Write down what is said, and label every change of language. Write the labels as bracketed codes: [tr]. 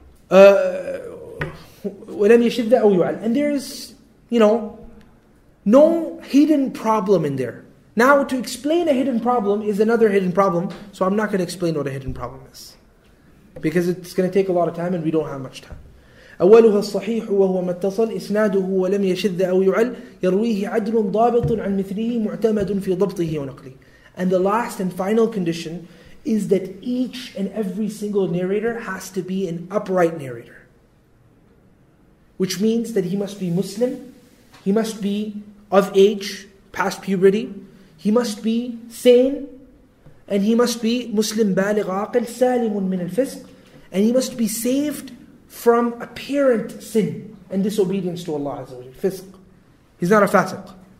[ar] وَلَمْ يَشِدَّ أَوْ يُعَلْ. [en] And there's, you know, no hidden problem in there. Now to explain a hidden problem is another hidden problem, so I'm not going to explain what a hidden problem is, because it's going to take a lot of time and we don't have much time. [ar] أولها الصحيح وهو ما اتصل إسناده ولم يشذ أو يعل يرويه عدل ضابط عن مثله معتمد في ضبطه ونقله. [en] And the last and final condition is that each and every single narrator has to be an upright narrator, which means that he must be Muslim, he must be of age, past puberty, he must be sane, and he must be Muslim [ar] بالغ عاقل سالم من الفسق, [en] and he must be saved from apparent sin and disobedience to Allah Azza wa Jalla. Fisq. He's not a fasiq.